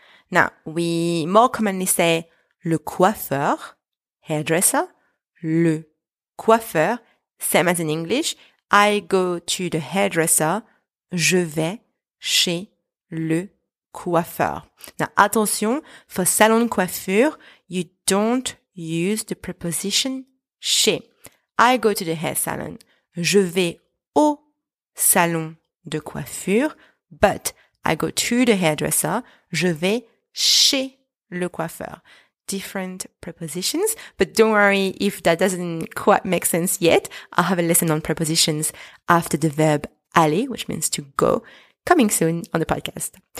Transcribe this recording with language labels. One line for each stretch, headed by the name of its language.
English: Now, we more commonly say le coiffeur, hairdresser. Le coiffeur, same as in English. I go to the hairdresser.
French: Je vais chez le coiffeur.
English: Now, attention, for salon de coiffure, you don't use the preposition chez. I go to the hair salon.
French: Je vais au salon de coiffure,
English: but I go to the hairdresser.
French: Je vais chez le coiffeur.
English: Different prepositions, but don't worry if that doesn't quite make sense yet. I'll have a lesson on prepositions after the verb aller, which means to go, coming soon on the podcast.